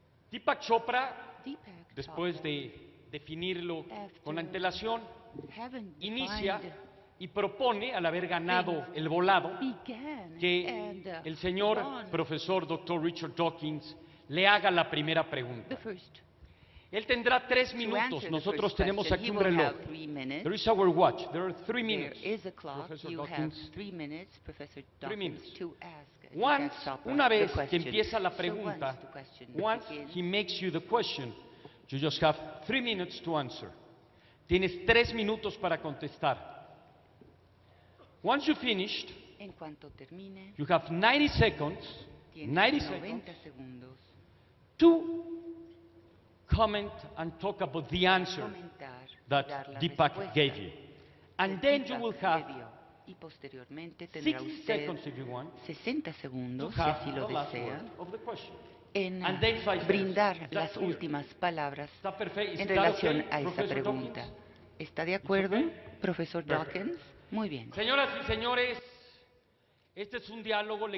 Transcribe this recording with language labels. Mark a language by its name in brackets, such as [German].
[Spanish] Deepak Chopra, después de definirlo con antelación, inicia y propone, al haber ganado el volado, que el señor profesor Dr. Richard Dawkins le haga la primera pregunta. Él tendrá 3 minutos. Nosotros tenemos aquí un reloj. [English] There is our watch. There are 3 minutes. There is a clock. You have 3 minutes, Professor Dawkins, to ask. Once, [Spanish] una vez que empieza la pregunta, [English] once he makes you the question, you just have 3 minutes to answer. [Spanish] Tienes 3 minutos para contestar. [English] Once you finished, [Spanish] en cuanto termine, [English] you have 90 seconds. [Spanish] 90 segundos. [English] To comment and talk about the answer that Deepak gave you. And then you will have 60 seconds, if you want, [Spanish] 60 segundos, si así lo desea, [English] en and then [Spanish] brindar las últimas palabras en relación a esa pregunta. ¿Está de acuerdo, profesor Dawkins? Muy bien. Señoras y señores, este es un diálogo.